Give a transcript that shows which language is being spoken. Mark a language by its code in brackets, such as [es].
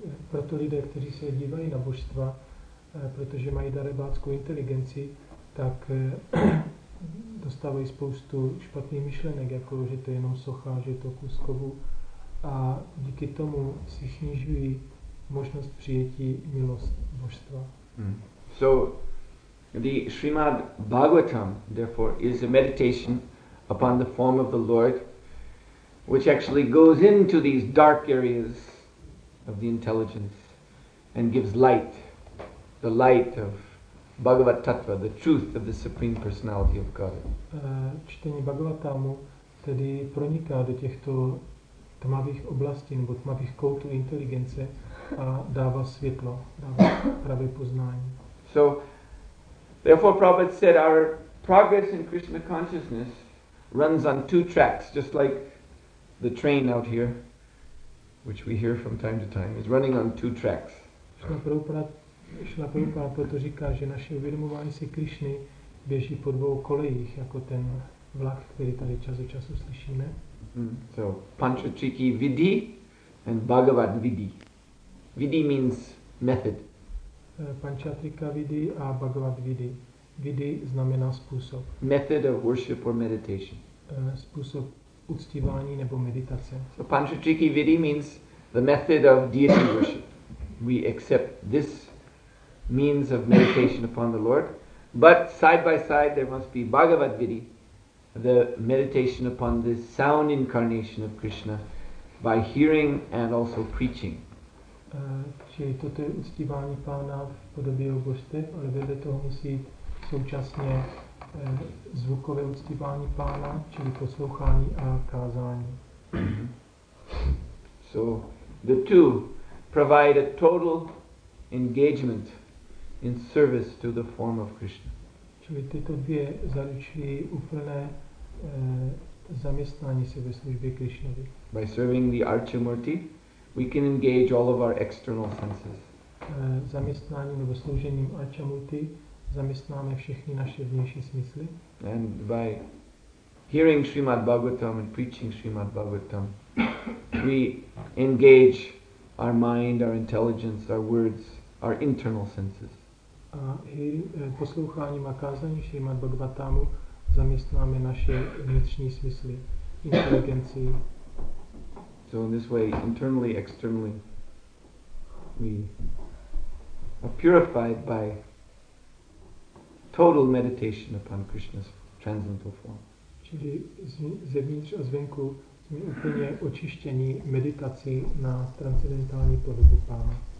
[cs] Proto lidé, kteří se dívají na božstva, protože mají darebáckou inteligenci, tak dostávají spoustu špatných myšlenek, jako že to je jenom socha, že je to kus kovu, a díky tomu si snižují možnost přijetí milost božstva. [en] So the Srimad Bhagavatam therefore is a meditation upon the form of the Lord, which actually goes into these dark areas of the intelligence and gives light the light of Bhagavat Tattva, the truth of the Supreme Personality of Godhead. [cs] Čtení Bhagavatamu tedy proniká do těchto tmavých oblastí nebo tmavých koutů inteligence a dává světlo, dává pravé poznání. [en] So, therefore Prabhupada said our progress in Krishna consciousness runs on two tracks, just like the train out here, which we hear from time to time, is running on two tracks. [cs] Šla Prabhupada proto říká, že naše uvědomování si Krišny běží po dvou kolejích, jako ten vlak, který tady čas od času slyšíme. [en] So, Panchachiki Vidhi and Bhagavad Vidhi. Vidhi means method. [cs] Panchatrika Vidhi a Bhagavad Vidhi. Vidhi znamená způsob. [en] Method of worship or meditation. [cs] Způsob uctívání nebo meditace. [en] So Panchachiki Vidhi means the method of deity worship. We accept this means of meditation upon the Lord. But side by side there must be Bhagavad Vidhi, the meditation upon the sound incarnation of Krishna by hearing and also preaching. [cs] Čili toto je uctívání Pána v podobě božstev, ale vedle toho musí současně zvukové uctívání Pána, čili poslouchání a kázání. [en] So, the two provide a total engagement in service to the form of Krishna. [cs] Čili tyto dvě zaručují úplné zaměstnání se ve službě Krišnovi. [en] By serving the Archimurti, we can engage all of our external senses. [cs] Zaměstnáním nebo sloužením Archimurti zaměstnáme všechny naše vnější smysly. [en] And by hearing Srimad Bhagavatam and preaching Srimad Bhagavatam, we engage our mind, our intelligence, our words, our internal senses. [cs] A posloucháním a kázáním Srimad Bhagavatamu zaměstnáme naše vnitřní smysly, inteligenci. [en] So in this way, internally, externally, we are purified by total meditation upon Krishna's transcendental form. [cs] Čili zevnitř a zvenku jsme úplně očištění meditací na transcendentální podobu Pána.